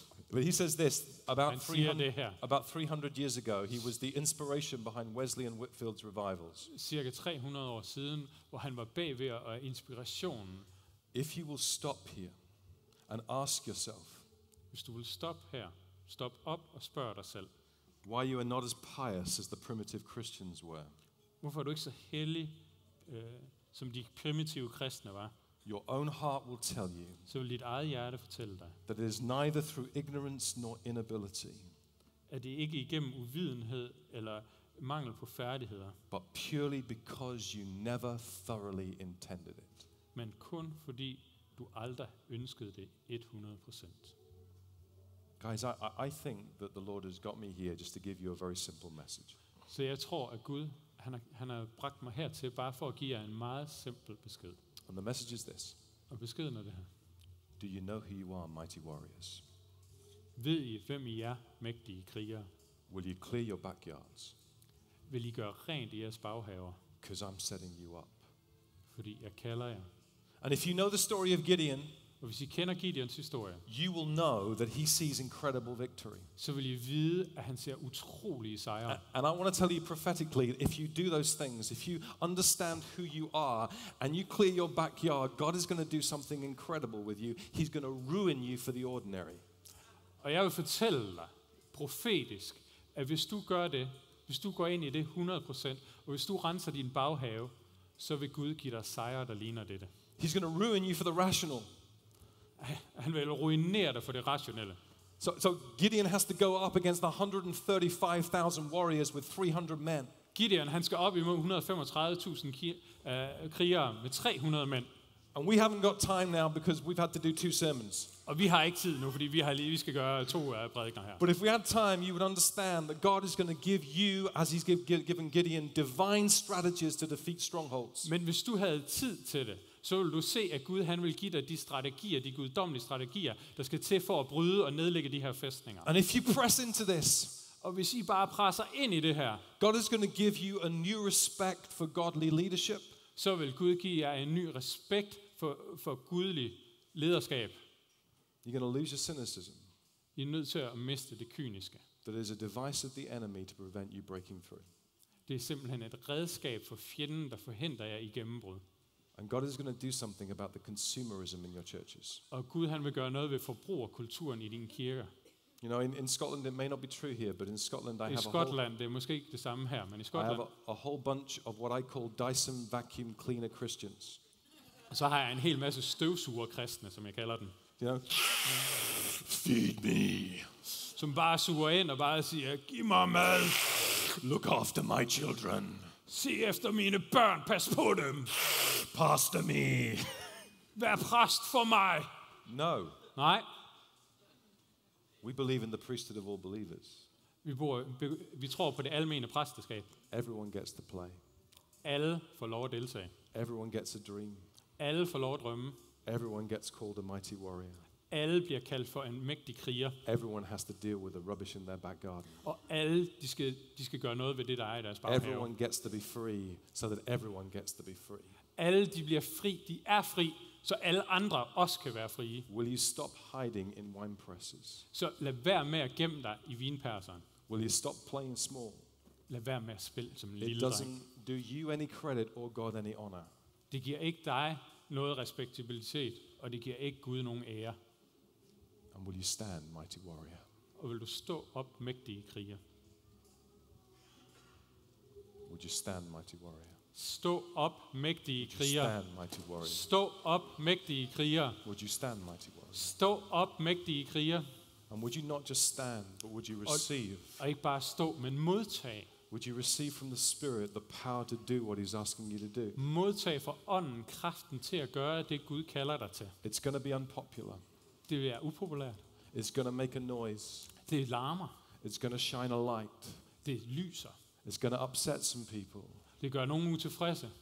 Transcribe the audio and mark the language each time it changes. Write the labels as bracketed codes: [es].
[en] But he says this about 300 years ago, he was the inspiration behind Wesley and Whitfield's revivals. [da] Cirka 300 år siden, hvor han var bagved og inspirationen. [en] If you will stop here and ask yourself, [da] hvis du vil stoppe her, stop op og spørg dig selv, [en] why you are not as pious as the primitive Christians were. [da] Hvorfor er du ikke så hellig som de primitive kristne var? [en] Your own heart will tell you. [da] Så vil dit eget hjerte fortælle dig. [en] That it is neither through ignorance nor inability. [da] At det ikke igennem uvidenhed eller mangel på færdigheder. [en] But purely because you never thoroughly intended it. [da] Men kun fordi du aldrig ønskede det 100%. [en] Guys, I think that the Lord has got me here just to give you a very simple message. [da] Så jeg tror at Gud han har bragt mig her til bare for at give jer en meget simpel besked. [en] And the message is this. [da] Og beskeden er det her. [en] Do you know who you are, mighty warriors? [da] Ved I, hvem I er, mægtige krigere? [en] Will you clear your backyards? [da] Vil I gøre rent i jeres baghaver? [en] Because I'm setting you up. [da] Fordi jeg kalder jer. [en] And if you know the story of Gideon, [da] og hvis I kender Gideons historie, [en] you will know that he sees incredible victory. [da] Så vil I vide, at han ser utrolige sejre. [en] And I want to tell you prophetically, if you do those things, if you understand who you are, and you clear your backyard, God is going to do something incredible with you. He's going to ruin you for the ordinary. [da] Og jeg vil fortælle dig, profetisk, at hvis du gør det, hvis du går ind i det 100%, og hvis du renser din baghave, så vil Gud give dig sejre, der ligner dette. [en] He's going to ruin you for the rational. [da] Han vil ruinere dig for det rationelle. [en] So Gideon has to go up against 135,000 warriors with 300 men. [da] Gideon, han skal op imod 135,000 krigere med 300 mænd. [en] And we haven't got time now because we've had to do two sermons. [da] Og vi har ikke tid nu, fordi vi skal gøre to prædikener her. [en] But if we had time, you would understand that God is going to give you, as he's given Gideon, divine strategies to defeat strongholds. [da] Men hvis du havde tid til det, så vil du se, at Gud han vil give dig de strategier, de guddommelige strategier, der skal til for at bryde og nedlægge de her fæstninger. [en] And if you press into this, [da] og hvis I bare presser ind i det her, [en] God is going to give you a new respect for godly leadership. [da] så vil Gud give jer en ny respekt for gudlig lederskab. [en] You're going to lose your cynicism. [da] I er nødt til at miste det kyniske. [en] That is a device of the enemy to prevent you breaking through. [da] Det er simpelthen et redskab for fjenden, der forhindrer jer i gennembrud. [en] And God is going to do something about the consumerism in your churches. [da] Og Gud, han vil gøre noget ved forbrugerkulturen i din kirke. [en] You know, in Scotland it may not be true here, but in Scotland I have [da] Scotland, det er måske ikke det samme her, men i Skotland. [en] I have a whole bunch of what I call Dyson vacuum cleaner Christians. [da] Og så har jeg en hel masse støvsuger kristne, som jeg kalder dem. [en] You know, feed me. [da] Som bare suger ind og bare siger, giv mig mad. [en] Look after my children. [da] Se efter mine børn, pas på dem. [en] Pastor me. [da] Vær præst for mig. [en] No. [da] Nej. [en] We believe in the priesthood of all believers. [da] Vi tror på det almene præsteskab. [en] Everyone gets to play. [da] Alle får lov at deltage. [en] Everyone gets a dream. [da] Alle får lov at drømme. [en] Everyone gets called a mighty warrior. [da] Alle bliver kaldt for en mægtig kriger. [en] Everyone has to deal with the rubbish in their back garden. [da] Og alle, de skal gøre noget ved det, der er i deres baghave. [en] Everyone gets to be free, so that everyone gets to be free. [da] Alle, de bliver fri, de er fri. Så alle andre også kan være frie. [en] Will you stop hiding in wine presses? [da] Så lad være med at gemme dig i vinpresseren. [en] Will you stop playing small? [da] Lad være med at spille som en lille dreng. [en] It doesn't do you any credit or God any honor. [da] Det giver ikke dig noget respektabilitet, og det giver ikke Gud nogen ære. [en] And will you stand, mighty warrior? [da] Og vil du stå op, mægtige kriger? [en] Would you stand, mighty warrior? [da] Stå op, mægtige kriger. [en] Stand, mighty warrior. [da] Stå op, mægtige kriger. [en] Would you stand, mighty warrior? [da] Stå op, mægtige kriger. [en] And would you not just stand, but would you receive? [da] Og ikke bare stå, men modtag. [en] Would you receive from the Spirit the power to do what He's asking you to do? [da] Modtag for ånden kraften til at gøre det Gud kalder dig til. [en] It's going to be unpopular. [da] Det vil være upopulært. [en] It's going to make a noise. [da] Det larmer. [en] It's going to shine a light. [da] Det lyser. [en] It's going to upset some people. [da] Det gør nogen utilfredse.